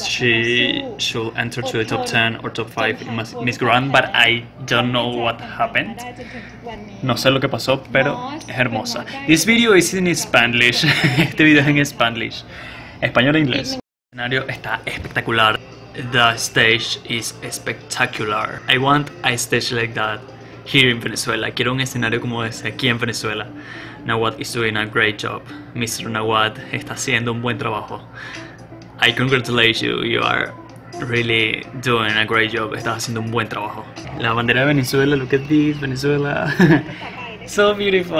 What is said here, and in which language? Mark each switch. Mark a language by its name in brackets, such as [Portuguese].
[English] She should enter to the top 10 or top 5 in Miss Grand, but I don't know what happened. [Spanish] No sé lo que pasó, pero es hermosa. [English] This video is in Spanish. [Spanish] Este video es en Spanish. Español e inglés. El escenario está espectacular. [English] The stage is spectacular. I want a stage like that here in Venezuela. [Spanish] Quiero un escenario como ese aquí en Venezuela. [English] Nawad is doing a great job. [Spanish] Mr. Nawad está haciendo un buen trabajo. [English] I congratulate you. You are really doing a great job. [Spanish] Estás haciendo un buen trabajo. La bandera de Venezuela. [English] Look at this, Venezuela. So beautiful.